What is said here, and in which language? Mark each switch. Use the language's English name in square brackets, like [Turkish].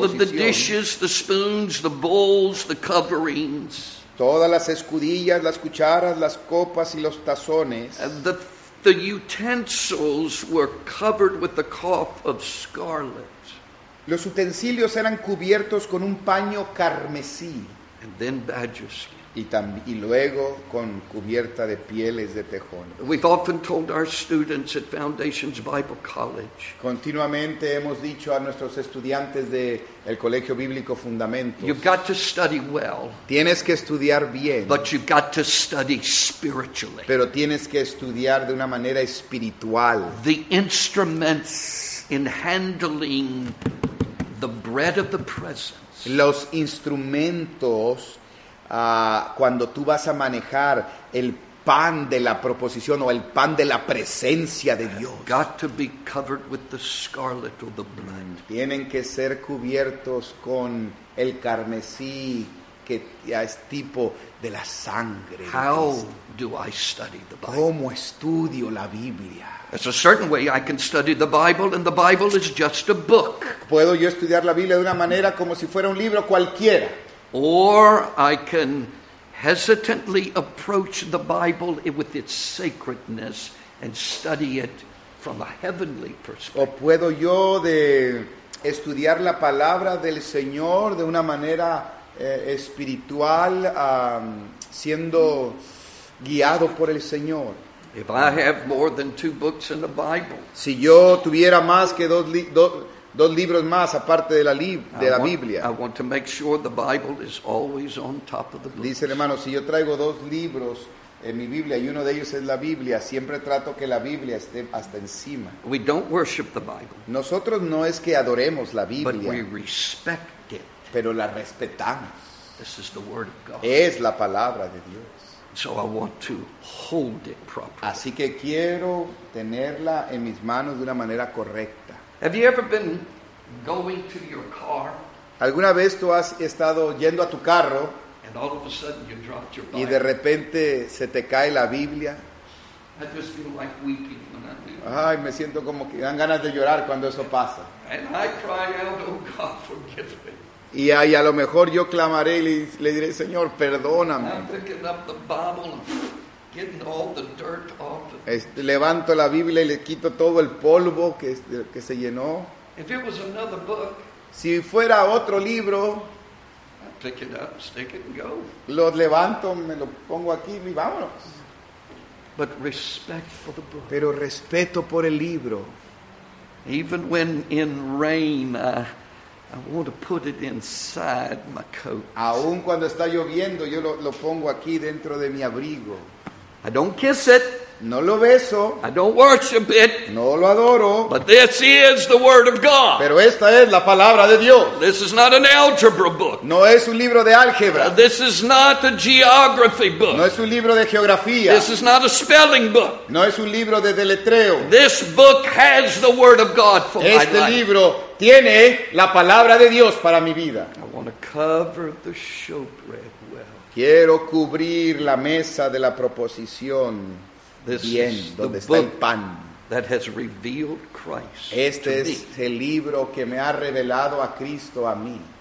[English] All of the dishes, the spoons, the bowls, the coverings. [Spanish] Todas las escudillas, las cucharas, las copas y los tazones. [English] The utensils were covered with the cloth of scarlet. [Spanish] Los utensilios eran cubiertos con un paño carmesí. [English] And then badger skin. [Spanish] Y luego con cubierta de pieles de tejones. [English] We've often told our students at Foundations Bible College. [Spanish] Continuamente hemos dicho a nuestros estudiantes de el Colegio Bíblico Fundamentos. [English] You've got to study well. [Spanish] Tienes que estudiar bien. [English] But you've got to study spiritually. [Spanish] Pero tienes que estudiar de una manera espiritual. [English] The instruments in handling the bread of the presence. [Spanish] Los instrumentos cuando tú vas a manejar el pan de la proposición o el pan de la presencia de Dios. [English] Got to be covered with the scarlet or the blood. [Spanish] Tienen que ser cubiertos con el carmesí que es tipo de la sangre. [English] How do I study the Bible? [Spanish] ¿Cómo estudio la Biblia? [English] There's a certain way I can study the Bible, and the Bible is just a book. [Spanish] Puedo yo estudiar la Biblia de una manera como si fuera un libro cualquiera. [English] Or I can hesitantly approach the Bible with its sacredness and study it from a heavenly perspective. [Spanish] O puedo yo de estudiar la palabra del Señor de una manera espiritual, siendo guiado por el Señor. [English] If I have more than two books in the Bible. [Spanish] Si yo tuviera más que dos libros más aparte de la Biblia. [English] I want to make sure the Bible is always on top of the books. [Spanish] Dice el hermano, si yo traigo dos libros en mi Biblia y uno de ellos es la Biblia, siempre trato que la Biblia esté hasta encima. [English] We don't worship the Bible. [Spanish] Nosotros no es que adoremos la Biblia. [English] But we respect it. [Spanish] Pero la respetamos. [English] This is the word of God. [Spanish] Es la palabra de Dios. [English] So I want to hold it properly. [Spanish] Así que quiero tenerla en mis manos de una manera correcta. [English] Have you ever been going to your car? [Spanish] ¿Alguna vez tú has estado yendo a tu carro? [English] And all of a sudden you dropped your Bible. [Spanish] Y de repente se te cae la Biblia. [English] I just feel like weeping when I do that. [Spanish] Ay, me siento como que dan ganas de llorar cuando eso pasa. [English] And I cry out, oh God, forgive me. [Spanish] Y ahí a lo mejor yo clamaré y le diré, Señor, perdóname. [English] I'm picking up the Bible and getting all the dirt off of it. [Spanish] Levanto la Biblia y le quito todo el polvo que se llenó. [English] If it was another book, [Spanish] si fuera otro libro, [English] I'd pick it up, stick it, and go. [Spanish] Lo levanto, me lo pongo aquí y vámonos. [English] But respect for the book. [Spanish] Pero respeto por el libro. [English] Even when in rain, I want to put it inside my coat. [Spanish] Aun cuando está lloviendo, yo lo pongo aquí dentro de mi abrigo. [English] I don't kiss it. [Spanish] No lo beso. [English] I don't worship it. [Spanish] No lo adoro. [English] But this is the word of God. [Spanish] Pero esta es la palabra de Dios. [English] This is not an algebra book. [Spanish] No es un libro de álgebra. [English] This is not a geography book. [Spanish] No es un libro de geografía. [English] This is not a spelling book. [Spanish] No es un libro de deletreo. [English] This book has the word of God for my life. [Spanish] Este libro tiene la palabra de Dios para mi vida. [English] I want to cover the showbread well. [Spanish] Quiero cubrir la mesa de la proposición [English] this [Spanish] bien, donde está el pan. [English] That has revealed Christ [Spanish] este [English] to [Spanish] es [English] me. [Spanish] El libro que me ha revelado a Cristo a mí.